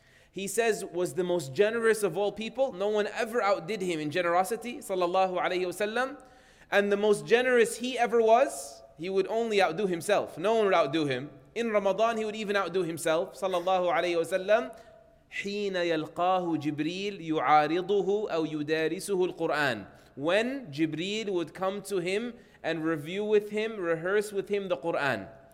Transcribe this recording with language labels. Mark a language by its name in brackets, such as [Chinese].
[English] He says, was the most generous of all people. No one ever outdid him in generosity, sallallahu alayhi wasallam. And the most generous he ever was, he would only outdo himself. No one would outdo him. In Ramadan, he would even outdo himself, sallallahu alayhi wasallam. [Arabic] حِينَ يَلْقَاهُ جِبْرِيلُ يُعَارِضُهُ أَوْ يُدَارِسُهُ الْقُرْآنِ. [English] When Jibreel would come to him and review with him, rehearse with him the Qur'an.